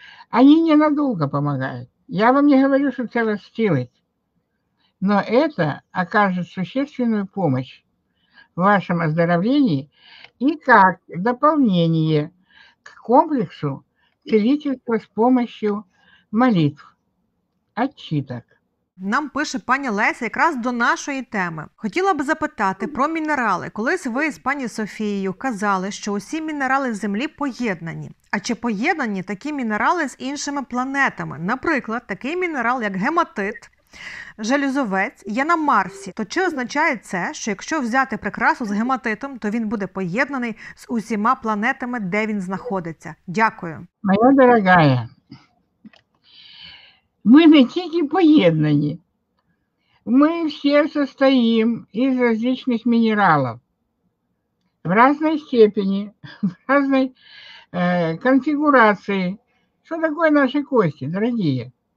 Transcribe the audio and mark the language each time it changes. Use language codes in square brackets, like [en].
[ru] Они ненадолго помогают. Я вам не говорю, что это сделает, но это окажет существенную помощь в вашем оздоровлении и как дополнение к комплексу целительства с помощью молитв, отчиток. [uk] Нам пише пані Леся якраз до нашої теми. Хотіла б запитати про мінерали. Колись ви з пані Софією казали, що усі мінерали Землі поєднані. А чи поєднані такі мінерали з іншими планетами? Наприклад, такий мінерал, як гематит, железовець, є на Марсі. То чи означає це, що якщо взяти прикрасу з гематитом, то він буде поєднаний з усіма планетами, де він знаходиться? Дякую. [ru] Моя дорога, мы [uk] не тільки поєднані, [ru] мы все состоим из различных минералов в разной степени, в разной конфигурации. Что такое наши кости, дорогие?